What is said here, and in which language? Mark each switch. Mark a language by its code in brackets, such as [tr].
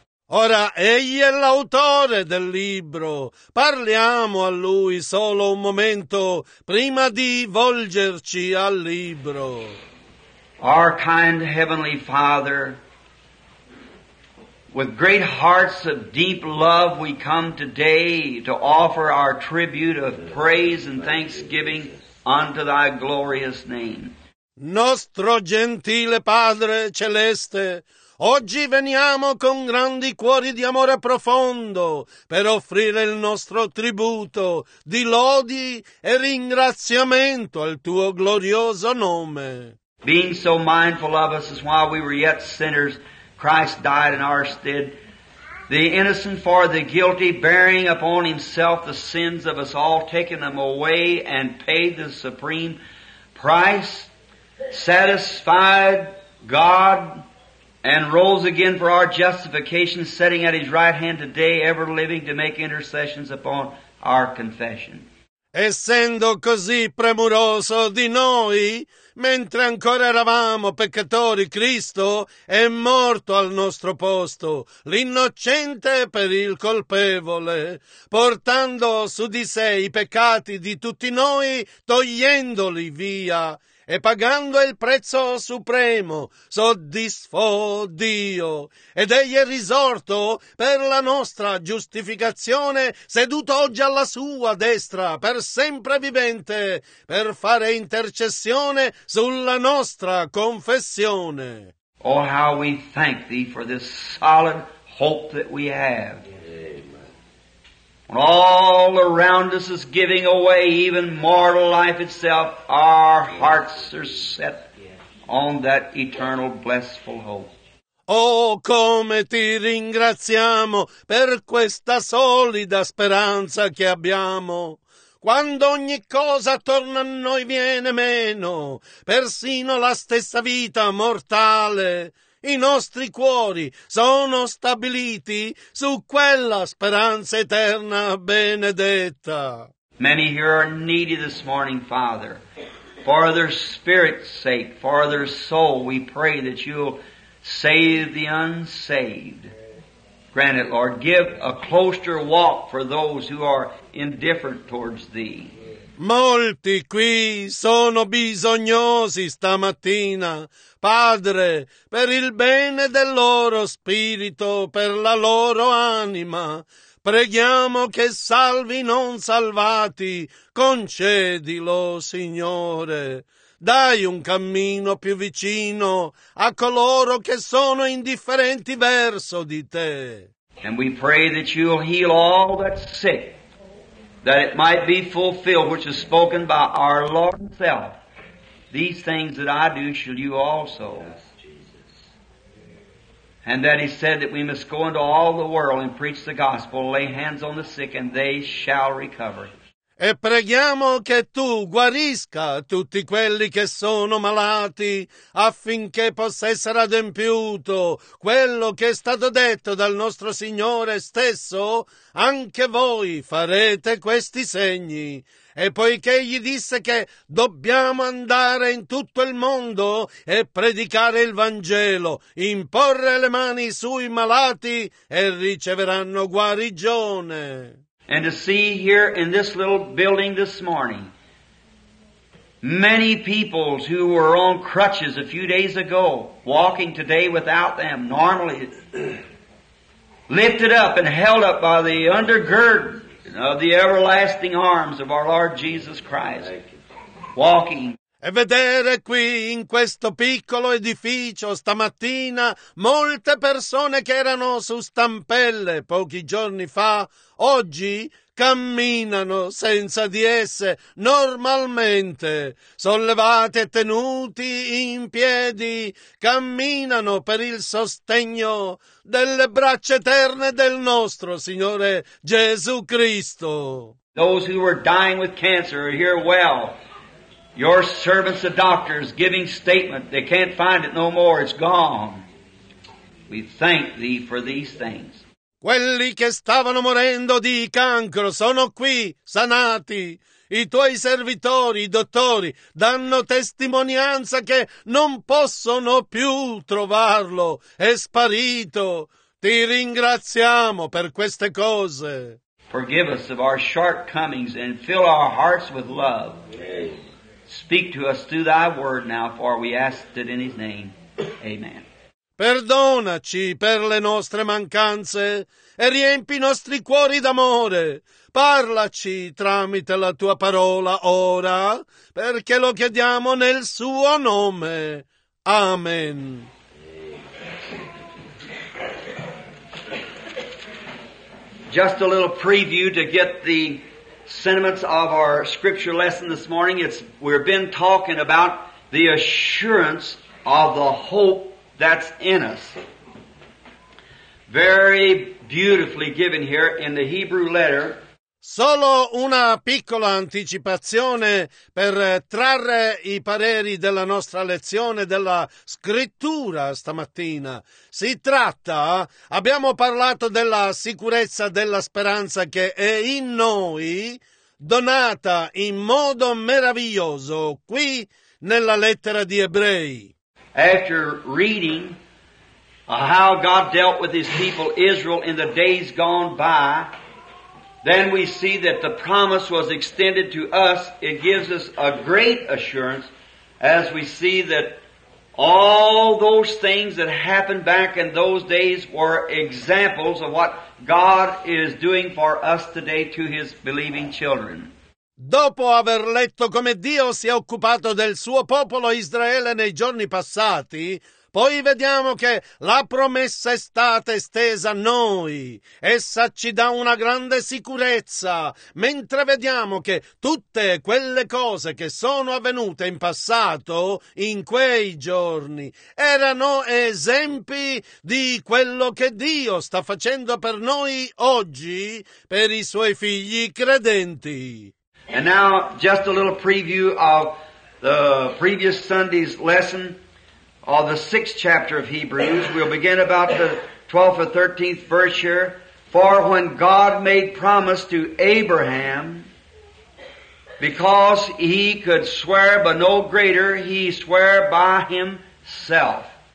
[it] Ora egli è l'autore del libro. Parliamo a lui solo un momento prima di volgerci al libro. [en] Our kind heavenly Father, with great hearts of deep love, we come today to offer our tribute of praise and thanksgiving unto thy glorious name. [it] Nostro gentile Padre Celeste, oggi veniamo con grandi cuori di amore profondo per offrire il nostro tributo di lodi e ringraziamento al tuo glorioso nome. [en] Being so mindful of us as while we were yet sinners, Christ died in our stead, the innocent for the guilty, bearing upon himself the sins of us all, taking them away and paid the supreme price, satisfied God, and rose again for our justification, sitting at his right hand today, ever living to make intercessions upon our confession. [it] Essendo così premuroso di noi, mentre ancora eravamo peccatori, Cristo è morto al nostro posto, l'innocente per il colpevole, portando su di sé i peccati di tutti noi, togliendoli via, e pagando il prezzo supremo, soddisfò Dio. Ed egli è risorto per la nostra giustificazione, seduto oggi alla sua destra, per sempre vivente, per fare intercessione sulla nostra confessione. [en] Oh, how we thank thee for this solid hope that we have. When all around us is giving away, even mortal life itself, our hearts are set on that eternal, blessful hope. [it] Oh, come ti ringraziamo per questa solida speranza che abbiamo. Quando ogni cosa attorno a noi viene meno, persino la stessa vita mortale, i nostri cuori sono stabiliti su quella speranza eterna benedetta. [en] Many here are needy this morning, Father. For their spirit's sake, for their soul, we pray that you'll save the unsaved. Grant it, Lord. Give a closer walk for those who are indifferent towards thee. [it] Molti qui sono bisognosi stamattina, Padre, per il bene del loro spirito, per la loro anima. Preghiamo che salvi non salvati, concedilo, Signore. Dai un cammino più vicino a coloro che sono indifferenti verso di te. [en] And we pray that you'll heal all that's sick, that it might be fulfilled, which is spoken by our Lord himself. These things that I do shall you also. And that he said that we must go into all the world and preach the gospel, lay hands on the sick, and they shall recover. [it] E preghiamo che tu guarisca tutti quelli che sono malati, affinché possa essere adempiuto quello che è stato detto dal nostro Signore stesso: anche voi farete questi segni. E poiché gli disse che dobbiamo andare in tutto il mondo e predicare il Vangelo, imporre le mani sui malati e riceveranno guarigione. [en] And to see here in this little building this morning, many people who were on crutches a few days ago, walking today without them, normally lifted up and held up by the undergird of the everlasting arms of our Lord Jesus Christ, walking. [it] E vedere qui in questo piccolo edificio stamattina molte persone che erano su stampelle pochi giorni fa, oggi camminano senza di esse, normalmente, sollevati e tenuti in piedi, camminano per il sostegno delle braccia eterne del nostro Signore Gesù Cristo. [en] Those who were dying with cancer are here well. Your servants, the doctors, giving statement, they can't find it no more, it's gone. We thank thee for these things. [it] Quelli che stavano morendo di cancro sono qui, sanati. I tuoi servitori, i dottori, danno testimonianza che non possono più trovarlo, è sparito. Ti ringraziamo per queste cose. [en] Forgive us of our shortcomings and fill our hearts with love. Speak to us through thy word now, for we ask it in his name. Amen. [it] Perdonaci per le nostre mancanze e riempi i nostri cuori d'amore. Parlaci tramite la tua parola ora, perché lo chiediamo nel suo nome. Amen. [en] Just a little preview to get the sentiments of our scripture lesson this morning. We've been talking about the assurance of the hope that's in us. Very beautifully given here in the Hebrew letter. [it] Solo una piccola anticipazione per trarre i pareri della nostra lezione della scrittura stamattina. Si tratta, abbiamo parlato della sicurezza della speranza che è in noi, donata in modo meraviglioso qui nella lettera di Ebrei. [en] After reading how God dealt with his people Israel in the days gone by, then we see that the promise was extended to us. It gives us a great assurance as we see that all those things that happened back in those days were examples of what God is doing for us today to his believing children. [it] Dopo aver letto come Dio si è occupato del suo popolo Israele nei giorni passati, poi vediamo che la promessa è stata estesa a noi. Essa ci dà una grande sicurezza, mentre vediamo che tutte quelle cose che sono avvenute in passato, in quei giorni, erano esempi di quello che Dio sta facendo per noi oggi, per i suoi figli credenti. [en] And now, just a little preview of the previous Sunday's lesson. Of the sixth chapter of Hebrews, we'll begin about the 12th or 13th verse here. For when God made promise to Abraham, because he could swear by no greater, he swore by himself.